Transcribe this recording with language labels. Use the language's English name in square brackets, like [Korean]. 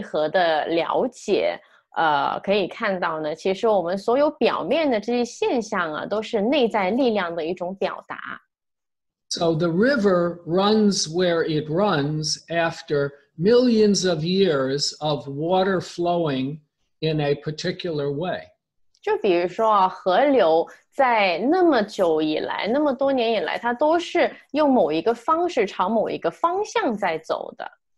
[Chinese] 那从我们对于地球内核的了解, 可以看到呢, 其实我们所有表面的这些现象啊, 都是内在力量的一种表达。 [English] So the river runs where it runs after millions of years of water flowing in a particular way. [Chinese] 就比如说啊, 河流在那么久以来, 那么多年以来, 它都是用某一个方式, 朝某一个方向在走的。